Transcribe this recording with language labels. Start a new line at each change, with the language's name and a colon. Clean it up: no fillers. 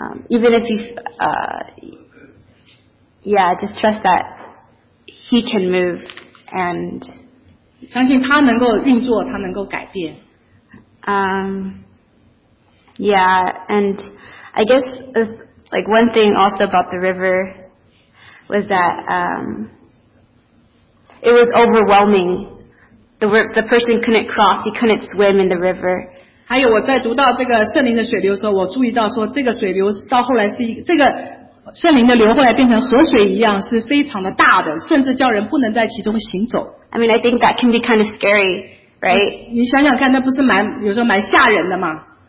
English: Even if just trust that he can move and
Chinese: 相信他能够运作他能够改变。
English: Yeah, and I guess like one thing also about the river was that it was overwhelming. The person couldn't cross, he couldn't swim in the river.
Chinese: 还有我在读到这个圣灵的水流的时候，我注意到说这个水流到后来是这个圣灵的流后来变成河水一样，是非常的大的，甚至叫人不能在其中行走。
English: I mean, I think that can be kind of scary, right?
Chinese: 你想想看，那不是蛮有时候蛮吓人的吗？